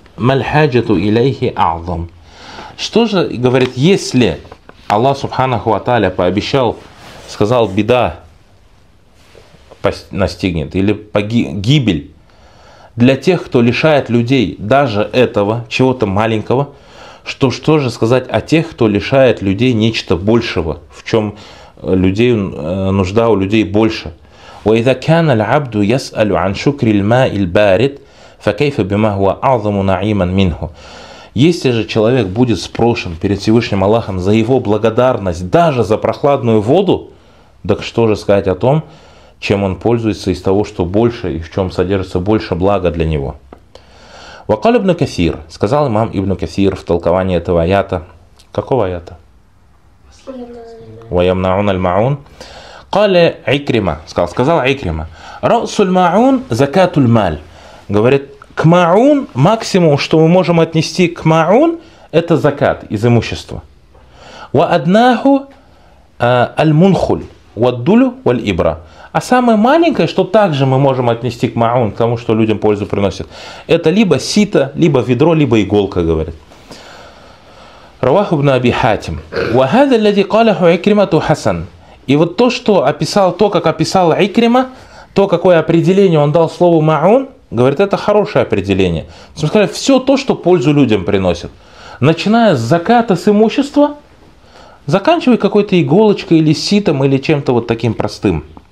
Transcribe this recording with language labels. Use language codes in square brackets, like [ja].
[ar] мальхаджату илейхи а'зам. [ru] Что же, говорит, если Аллах Субханаху ва Тааля пообещал, сказал, беда настигнет или гибель для тех, кто лишает людей даже этого, чего-то маленького, что же сказать о тех, кто лишает людей нечто большего, в чем людей, нужда у людей больше. [ar] وإذا كان العبد يسأل عن شكر الماء البارد فكيف بما هو أعظم نعيما منه. [ru] Если же человек будет спрошен перед Всевышним Аллахом за его благодарность даже за прохладную воду, так что же сказать о том, чем он пользуется из того, что больше и в чем содержится больше блага для него. [ar] وقال ابن كثير, [ru] сказал имам Ибн Касир в толковании этого аята. Какого аята? [ar] ويمنعون المعون. قال عكرمة, [ru] сказал [ar] عكرمة, رأس المعون زكاة المال. [ru] Говорит, к маун, максимум, что мы можем отнести к маун, это закат из имущества. [ar] وأدناه المنخل والدلع والإبرة. [ru] А самое маленькое, что также мы можем отнести к маун, к тому, что людям пользу приносит, это либо сито, либо ведро, либо иголка, говорит. [ar] رواه ابن أبي حاتم. وهذا الذي قاله عكرمة حسن. [ru] И вот то, что описал, то, как описал Икрима, то, какое определение он дал слову маун, говорит, это хорошее определение. Сказали, все то, что пользу людям приносит. Начиная с заката с имущества, заканчивая какой-то иголочкой или ситом, или чем-то вот таким простым.